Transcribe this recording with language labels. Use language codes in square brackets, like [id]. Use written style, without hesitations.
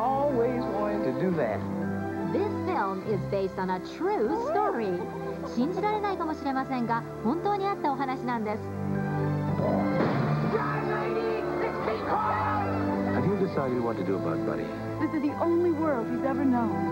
[en] This film is based on a true story. [ja] 信じられないかもしれませんが、本当にあったお話なんです。 [en] Have you decided what to do about Buddy? This is the only world he's ever known.